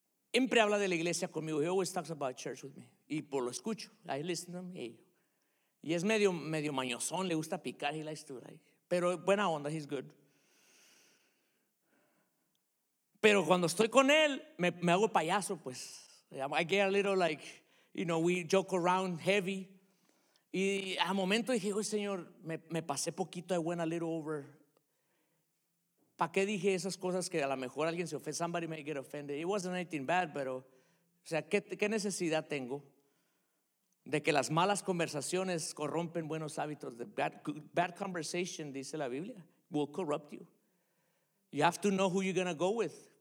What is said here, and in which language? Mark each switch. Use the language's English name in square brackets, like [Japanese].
[Spanish] Siempre habla de la iglesia conmigo. [English] He always talks about church with me. [Spanish] Y por lo escucho. [English] I listen to him. [Spanish] Y es medio mañosón. Le gusta picar. [English] He likes to, like, [Spanish] pero buena onda. [English] He's good. [Spanish] Pero cuando estoy con él, me hago payaso, pues. [English] I get a little like, you know, we joke around heavy. [Spanish] Y a momento dije, oye, Señor, me pasé poquito. [English] I went a little over. [Spanish] ¿Para qué dije esas cosas que a lo mejor alguien se ofende? [English] Somebody may get offended. It wasn't anything bad, [Spanish] pero, o sea, ¿qué necesidad tengo de que las malas conversaciones corrompen buenos hábitos? [English] The bad conversation, [Spanish] dice la Biblia, [English] will corrupt you. You have to know who you're going to go with.